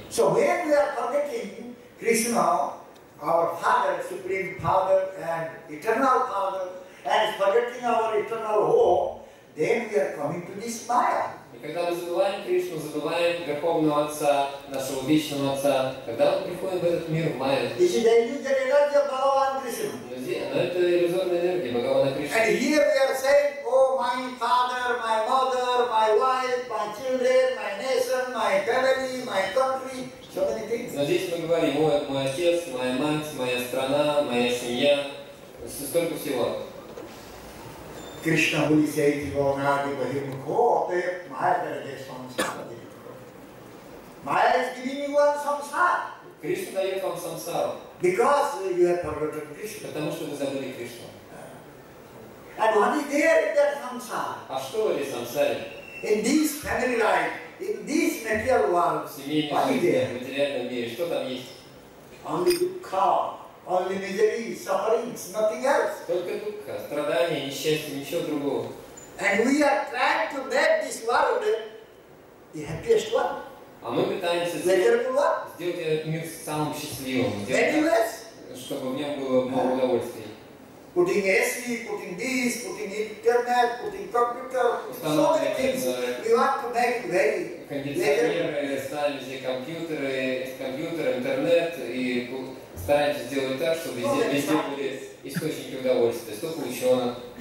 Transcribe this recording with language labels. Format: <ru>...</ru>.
<en>So when we are forgetting Krishna, our Father, Supreme Father and Eternal Father, and forgetting our eternal home, then we are coming to this Maya.</en> <ru>И когда мы забываем Кришну, забываем Верховного Отца, нашего вечного Отца, когда мы приходим в этот мир в Майя.</ru> <en>This is the illusion energy of Bhagavan Krishna.</en> <ru>Но это иллюзорная энергия Бхагавана Кришны.</ru> <en>And here we are saying, oh, my father, my mother, my wife, my children, my nation, my family, my country.</en> <ru>Но здесь мы говорим, мой отец, моя мать, моя страна, моя семья, столько всего. Кришна будет сеять его награды по Ему. О, ты, моя дорогая самсара.</ru> <en>Майя is giving you one samsara.</en> <ru>Кришна дает вам самсару.</ru> <en>Because you have forgotten Krishna.</en> <ru>Потому что вы забыли Кришну.</ru> <en>And what is there in that samsara?</en> <ru>А что в этой самсаре?</ru> <en>In this family life. In this material world,</en> <ru>материальном мире, что там есть?</ru> <en>Only dukkha, only misery, sufferings, nothing else.</en> <ru>Только dukkha, страдания, несчастья, ничего другого.</ru> <en>And we are trying to make this world the happiest one.</en> <ru>А мы пытаемся сделать этот мир самым счастливым.</ru> <en>Anyways,</en> <ru>чтобы в нем было много удовольствия.</ru> <en>Putting AC, putting this, putting internet, putting computer, so many things. We want to make it very.</en> <ru>Кондиционеры, ставим все компьютеры, интернет, и стараемся сделать так, чтобы везде были источники удовольствия. Столько ученых.</ru>